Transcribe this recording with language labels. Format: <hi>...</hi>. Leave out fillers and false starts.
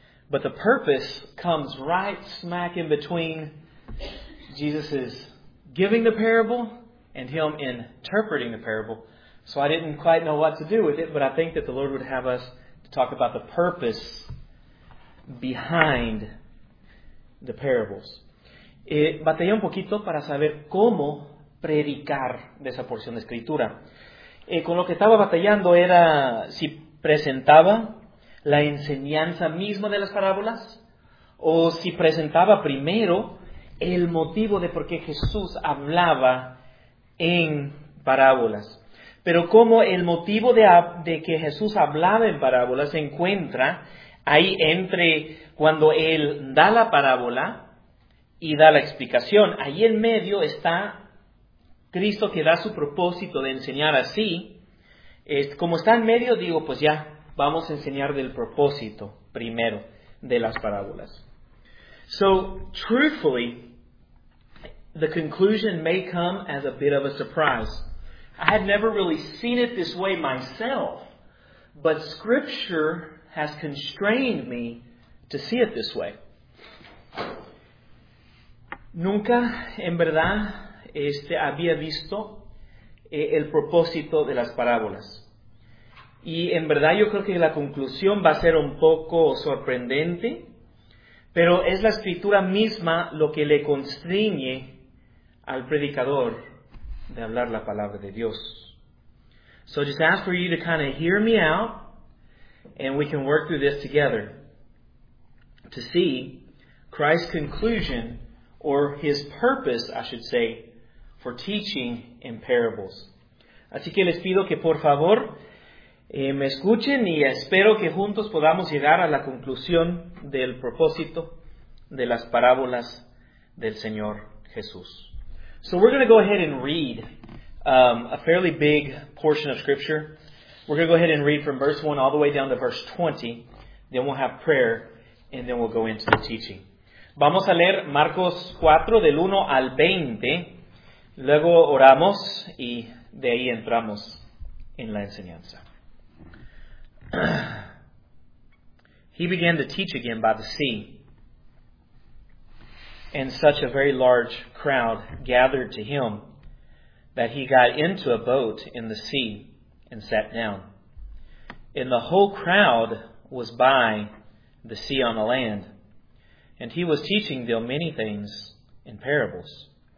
<en>But the purpose comes right smack in between Jesus' giving the parable and Him interpreting the parable. So I didn't quite know what to do with it, but I think that the Lord would have us to talk about the purpose behind the parables.</en> <es>Batallé un poquito para saber cómo predicar de esa porción de escritura. Con lo que estaba batallando era si presentaba la enseñanza misma de las parábolas o si presentaba primero el motivo de por qué Jesús hablaba en parábolas. Pero como el motivo de que Jesús hablaba en parábolas se encuentra ahí entre cuando Él da la parábola y da la explicación. Ahí en medio está Cristo, que da su propósito de enseñar así, como está en medio, digo, pues ya, vamos a enseñar del propósito primero de las parábolas.</es> <en>So, truthfully, the conclusion may come as a bit of a surprise. I had never really seen it this way myself, but Scripture has constrained me to see it this way.</en> <es>Nunca, en verdad, había visto el propósito de las parábolas. Y en verdad yo creo que la conclusión va a ser un poco sorprendente, pero es la escritura misma lo que le constriñe al predicador de hablar la palabra de Dios.</es> <en>So just ask for you to kind of hear me out, and we can work through this together to see Christ's conclusion, or His purpose, I should say, for teaching in parables.</en> <es>Así que les pido que por favor me escuchen y espero que juntos podamos llegar a la conclusión del propósito de las parábolas del Señor Jesús.</es> <en>So we're going to go ahead and read a fairly big portion of Scripture. We're going to go ahead and read from verse 1 all the way down to verse 20. Then we'll have prayer and then we'll go into the teaching.</en> <es>Vamos a leer Marcos 4 del 1 al 20. Luego oramos y de ahí entramos en la enseñanza.</es> <en>He began to teach again by the sea, and such a very large crowd gathered to him that he got into a boat in the sea and sat down. And the whole crowd was by the sea on the land, and he was teaching them many things in parables.</en>